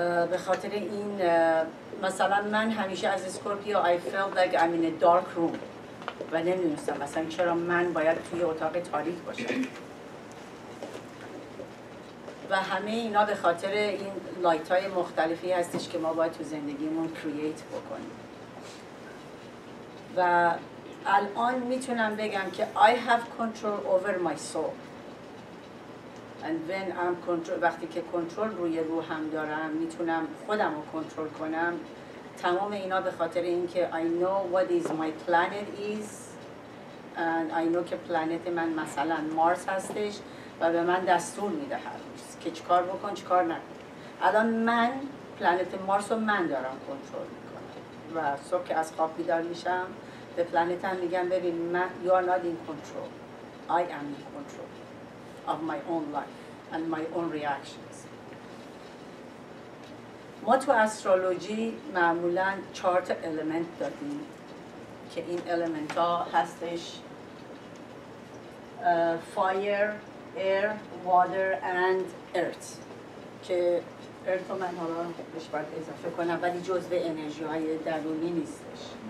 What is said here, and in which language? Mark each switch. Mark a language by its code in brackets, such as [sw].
[fa] به خاطر این مثلا من همیشه از اسکورپیو [en] I felt like I'm in a dark room [fa] و نمیدونستم مثلا چرا من باید توی اتاق تاریک باشم. و همه اینا به خاطر این لایت های مختلفی هستش که ما باید تو زندگیمون کرییت بکنیم. و الان میتونم بگم که [en] I have control over my soul. And when I'm control، [fa] وقتی که کنترل روی روحم دارم میتونم خودم رو کنترل کنم. تمام اینا به خاطر اینکه [en] I know what is my planet is and I know [fa] که planet من مثلا مارس هستش و به من دستور میده که چیکار بکن چیکار نکن. الان من پلنت مارس رو من دارم کنترل میکنم و صبح که از خواب بیدار میشم به پلنت هم میگم ببین من [en] you are not in control. I am in control of my own life and my own reactions. [fa] ما تو استرولوژی معمولا چهار تا المنت دادیم که این المنت ها هستش فایر، air, water and earth. که earth رو من حالا بهش باید اضافه کنم ولی جزء انرژی های درونی نیستش.